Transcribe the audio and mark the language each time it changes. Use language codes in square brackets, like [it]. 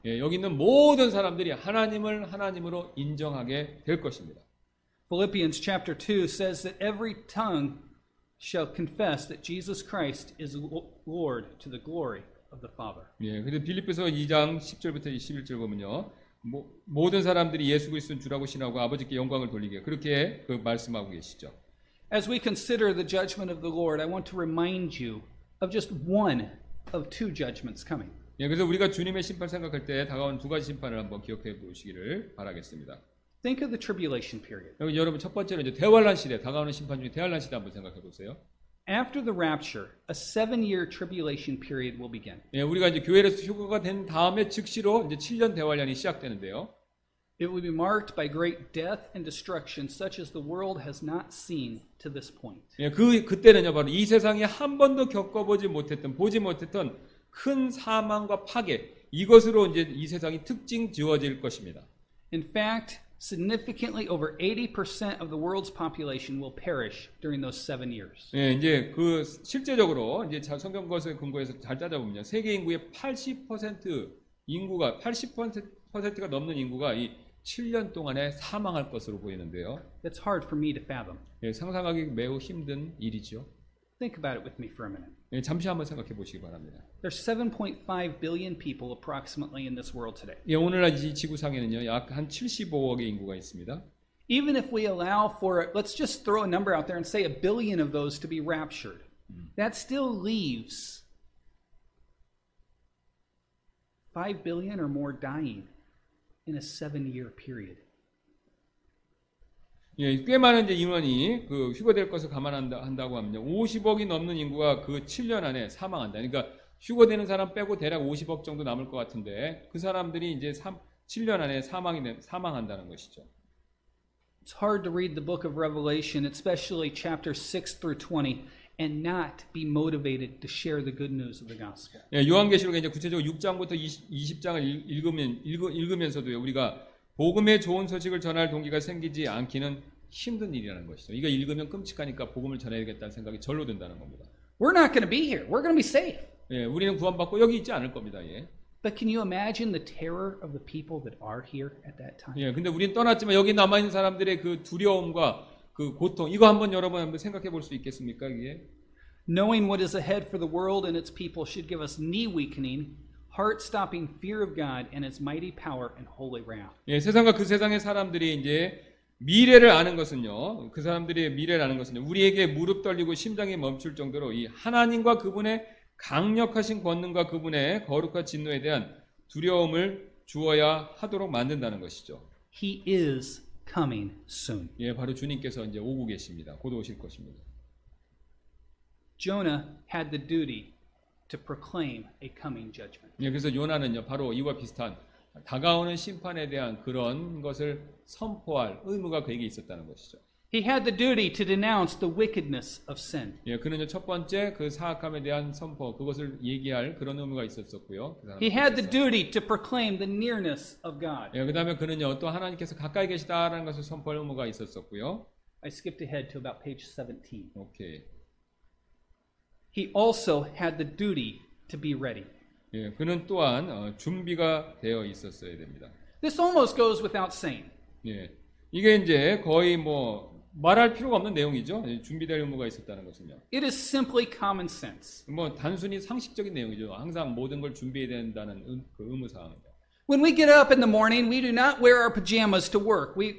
[ko] 예, 여기 있는 모든 사람들이 하나님을 하나님으로 인정하게 될 것입니다. [en] Philippians chapter 2 says that every tongue shall confess that Jesus Christ is Lord to the glory of the Father. [ko] 예, 근데 빌립보서 2장 10절부터 21절 보면요. 모든 사람들이 예수 그리스도는 주라고 신하고 아버지께 영광을 돌리게 그렇게 그 말씀하고 계시죠. [en] As we consider the judgment of the Lord, I want to remind you of just one of two judgments coming. [ko] 예, 그래서 우리가 주님의 심판 생각할 때 다가온 두 가지 심판을 한번 기억해 보시기를 바라겠습니다. [en] Think of the tribulation period. [ko] 여러분 첫 번째로 이제 대환란 시대 다가오는 심판 중에 대환란 시대 한번 생각해 보세요. [en] After the rapture, a seven-year tribulation period will begin. [ko] 예, 우리가 이제 교회에서 휴거가 된 다음에 즉시로 이제 7년 대환란이 시작되는데요. [en] It will be marked by great death and destruction such as the world has not seen to this point. [ko] 예, 그때는요 바로 이 세상이 한 번도 겪어보지 못했던 보지 못했던 큰 사망과 파괴 이것으로 이제 이 세상이 특징 지어질 것입니다. [en] In fact, significantly over 80% of the world's population will perish during those 7 years. [ko] 예, 이제 그 실제적으로 이제 성경 것을 근거해서 잘 찾아보면 세계 인구의 80% 인구가 80%가 넘는 인구가 이 7년 동안에 사망할 것으로 보이는데요. [en] That's hard for me to fathom. [ko] 예, 상상하기 매우 힘든 일이죠. [en] Think about it with me for a minute. [ko] 예, 잠시 한번 생각해 보시기 바랍니다. [en] There's 7.5 billion people approximately in this world today. [ko] 예, 오늘날 이 지구상에는요, 약 한 75억의 인구가 있습니다. [en] Even if we allow for it, let's just throw a number out there and say a billion of those to be raptured. That still leaves 5 billion or more dying in a 7-year period. [ko] 예, 꽤 많은 이제 인원이 그 휴거될 것을 감안한다고 하면요. 50억이 넘는 인구가 그 7년 안에 사망한다. 그러니까 휴거되는 사람 빼고 대략 50억 정도 남을 것 같은데 그 사람들이 이제 7년 안에 사망한다는 것이죠. [en] It's hard to read the book of Revelation, especially chapter 6 through 20 and not be motivated to share the good news of the gospel. [ko] 예, 요한계시록 이제 구체적으로 6장부터 20장을 읽으면서도요. 우리가 복음의 좋은 소식을 전할 동기가 생기지 않기는 힘든 일이라는 것이죠. 이거 읽으면 끔찍하니까 복음을 전해야겠다는 생각이 절로 든다는 겁니다. [en] We're not going to be here. We're going to be safe. [ko] 예, 우리는 구원받고 여기 있지 않을 겁니다. 예. [en] But can you imagine the terror of the people that are here at that time? [ko] 예, 근데 우리는 떠났지만 여기 남아 있는 사람들의 그 두려움과 그 고통 이거 한번 여러분 한번 생각해 볼 수 있겠습니까? 이게? [en] Knowing what is ahead for the world and its people should give us knee weakening. Heart-stopping fear of God and His mighty power and holy wrath. [ko] 예, 세상과 그 세상의 사람들이 이제 미래를 아는 것은요, 그 사람들이 미래를 아는 것은 우리에게 무릎 떨리고 심장이 멈출 정도로 이 하나님과 그분의 강력하신 권능과 그분의 거룩한 진노에 대한 두려움을 주어야 하도록 만든다는 것이죠. [en] He is coming soon. [ko] 예, 바로 주님께서 이제 오고 계십니다. 곧 오실 것입니다. [en] Jonah had the duty. To proclaim a coming judgment. [ko] 예, 그래서 요나는요 바로 이와 비슷한 다가오는 심판에 대한 그런 것을 선포할 의무가 그에게 있었다는 것이죠. [en] He had the duty to denounce the wickedness of sin. [ko] 예, 그는요 첫 번째 그 사악함에 대한 선포 그것을 얘기할 그런 의무가 있었었고요. 그 [en] He had the duty to proclaim the nearness of God. [ko] 예, 그다음에 그는요 또 하나님께서 가까이 계시다라는 것을 선포할 의무가 있었었고요. [en] I skipped ahead to about page 17. 오케이. He also had the duty to be ready. [ko] 예, 그는 또한 준비가 되어 있었어야 됩니다. This almost goes without saying. 예, 이게 이제 거의 뭐 말할 필요가 없는 내용이죠. 예, 준비될 의무가 있었다는 것은요. [en] It is simply common sense. [ko] 뭐 단순히 상식적인 내용이죠. 항상 모든 걸 준비해야 된다는 그 의무 사항입니다. [en] When we get up in the morning, we do not wear our pajamas to work.